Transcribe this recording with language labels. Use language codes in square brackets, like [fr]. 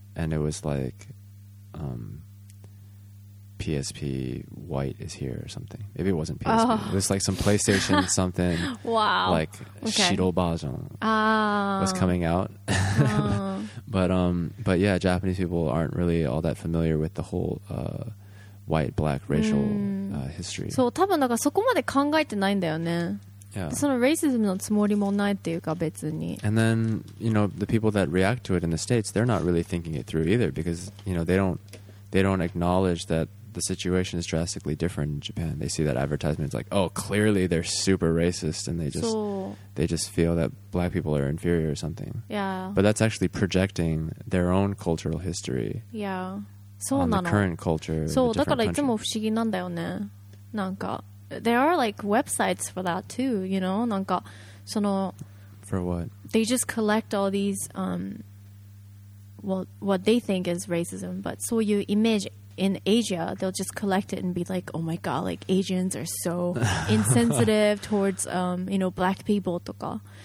[en] And it was like, PSP white is here or something. Maybe it wasn't PSP. Oh. It was like some PlayStation something. Wow. Like Shirobazon was coming out. but yeah, Japanese people aren't really all that familiar with the whole white, black racial history. So, [ja] 多分なんかそこまで考えてないんだよね。その racism のつもりもないっていうか別に。 [en] And then, you know, the people that react to it in the States, they're not really thinking it through either, because, you know, they don't acknowledge that the situation is drastically different in Japan. They see that advertisement, it's like, oh, clearly they're super racist, and they just feel that black people are inferior or something. Yeah. But that's actually projecting their own cultural history. Yeah. On the current culture. [ja] So, だからいつも不思議なんだよね。なんか、 [en] there are like websites for that too, you know? [ja] なんか、その、 [en] for what? They just collect all these, what they think is racism, but so you image in Asia, they'll just collect it and be like, oh my god, like Asians are so insensitive towards, you know, black people [ja] とか.